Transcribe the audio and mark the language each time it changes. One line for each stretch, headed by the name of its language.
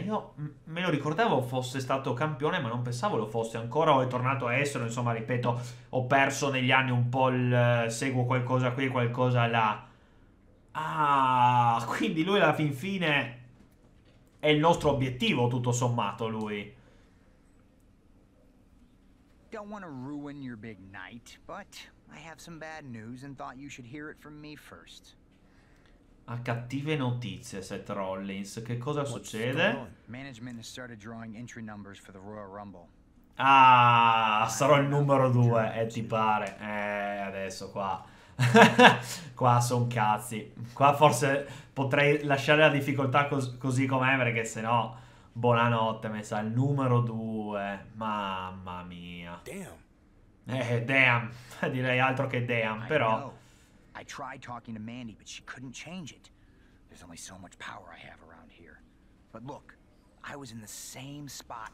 Italian: Io me lo ricordavo fosse stato campione, ma non pensavo lo fosse ancora, o è tornato a essere, insomma, ripeto, ho perso negli anni un po' il seguo qualcosa qui e qualcosa là. Ah, quindi lui alla fin fine è il nostro obiettivo, tutto sommato, lui.
English: Don't want to ruin your big night, but I have some bad news and thought you should hear it from me first.
Italian: A cattive notizie, Seth Rollins. Che cosa succede?
English: Management has started drawing entry numbers for the Royal Rumble.
Italian: Ah, sarò il numero 2, ti pare. Adesso qua. Qua son cazzi. Qua forse potrei lasciare la difficoltà così com'è, perché sennò buonanotte, mi sa, il numero 2. Mamma mia.
English: Damn. Damn.
Italian: Direi altro che damn, però.
English: I tried talking to Mandy, but she couldn't change it. There's only so much power I have around here. But look, I was in the same spot.